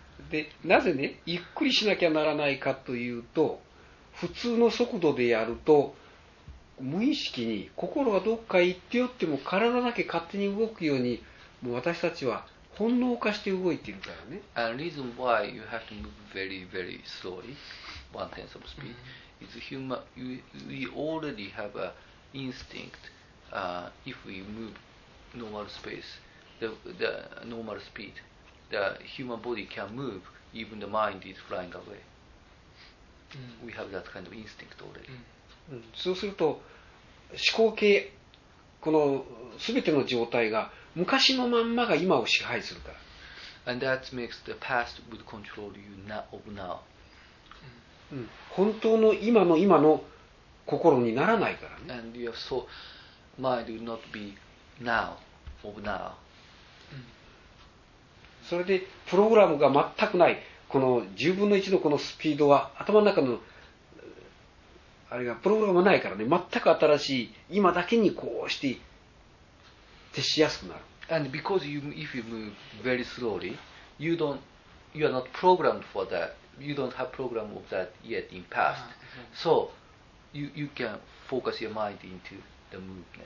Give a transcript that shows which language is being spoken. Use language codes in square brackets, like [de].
[ja] で、なぜね、ゆっくりしなきゃならないかというと、普通の速度でやると、無意識に心がどっか行ってよっても体だけ勝手に動くように、もう私たちは本能化して動いているからね。 [en] And reason why you have to move very, very slowly, one tenth of speed,、mm-hmm. is human. We already have a instinct.、if we move normal space, the normal speed, the human body can move. Even the mind is flying away.、Mm-hmm. We have that kind of instinct already.、 Mm-hmm. [ja] そうすると思考系このすべての状態が昔のまんまが今を支配するから。 [en] And that makes the past would control you now of now. [ja] 本当の今の心にならないからね。 [en] And your soul mind would not be now of now. [ja] それでプログラムが全くないこの10分の1のこのスピードは頭の中のあれがプログラムないからね。全く新しい今だけにこうして。徹しやすくなる。 [en] And because you, if you move very slowly, you are not programmed for that. You don't have program of that yet in past. Ah, okay. So you can focus your mind into the movement.